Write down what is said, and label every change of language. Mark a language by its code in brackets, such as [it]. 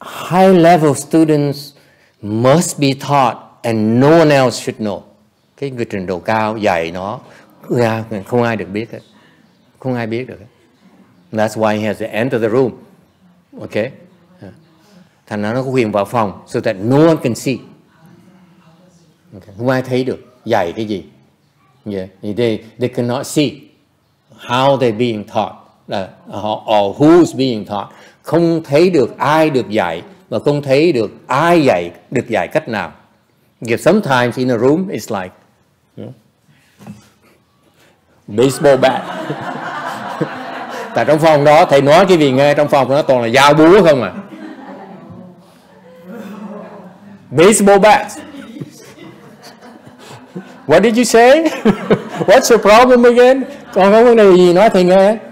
[en] High level students must be taught and no one else should know. [vi] Cái người trình độ cao dạy nó, không ai được biết hết. Không ai biết được hết. [en] That's why he has to enter the room. Okay? [vi] Thành ra nó có quyền vào phòng [en] so that no one can see. Okay. [vi] Không ai thấy được dạy cái gì. [en] Yeah. They cannot see how they're being taught or who's being taught. [vi] Không thấy được ai được dạy và không thấy được ai dạy, được dạy cách nào. [en] Because sometimes in a room it's like baseball bat. [vi] Tại trong phòng đó thầy nói cái gì nghe, trong phòng nó toàn là dao búa không à. [en] Baseball bat. What did you say? What's your problem again? [vi] Còn có vấn đề gì nói thầy nghe?